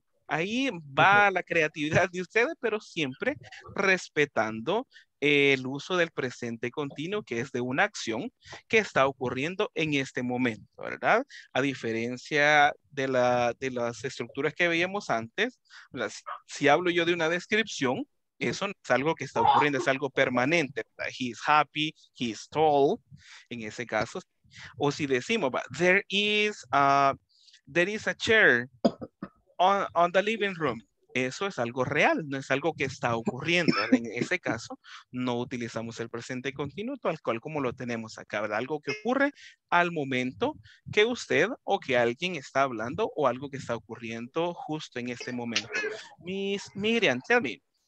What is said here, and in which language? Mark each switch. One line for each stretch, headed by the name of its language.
Spanish: Ahí va la creatividad de ustedes, pero siempre respetando el uso del presente continuo, que es de una acción que está ocurriendo en este momento, ¿verdad? A diferencia de las estructuras que veíamos antes, si hablo yo de una descripción, eso no es algo que está ocurriendo, es algo permanente.
English: He's happy, he's tall,
Spanish: en ese caso. O si decimos,
English: there is a chair on the living room.
Spanish: Eso es algo real, no es algo que está ocurriendo. En ese caso, no utilizamos el presente continuo tal cual como lo tenemos acá, ¿verdad? Algo que ocurre al momento que usted o que alguien está hablando o algo que está ocurriendo justo en este momento.
English: Miss Miriam, tell me.